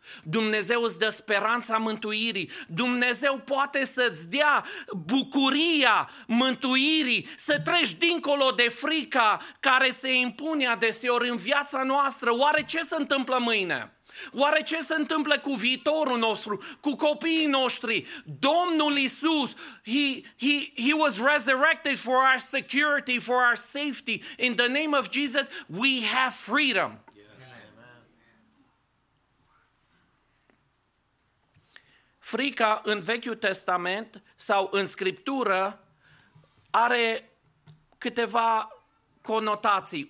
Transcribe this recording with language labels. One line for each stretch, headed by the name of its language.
Romanian: Dumnezeu îți dă speranța mântuirii. Dumnezeu poate să-ți dea bucuria mântuirii, să treci dincolo de frica care se impune adeseori în viața noastră. Oare ce se întâmplă mâine? Oare ce se întâmplă cu viitorul nostru, cu copiii noștri?
English: Domnul Iisus, he was resurrected for our security, for our safety. In the name of Jesus, we have freedom.
Romanian: Frica în Vechiul Testament sau în Scriptură are câteva conotații.